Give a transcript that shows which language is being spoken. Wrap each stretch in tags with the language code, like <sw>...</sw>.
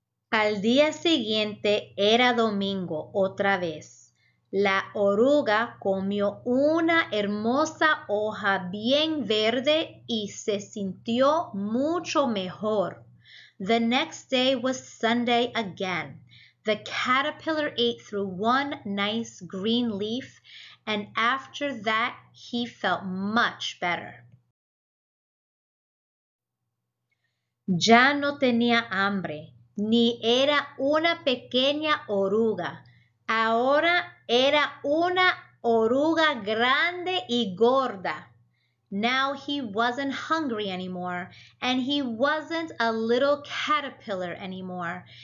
<es>Al día siguiente era domingo otra vez. La oruga comió una hermosa hoja bien verde y se sintió mucho mejor.</es> <en>The next day was Sunday again. The caterpillar ate through one nice green leaf, and after that, he felt much better.</en> <es>Ya no tenía hambre, ni era una pequeña oruga. Ahora era una oruga grande y gorda.</es> <en>Now he wasn't hungry anymore, and he wasn't a little caterpillar anymore.</en>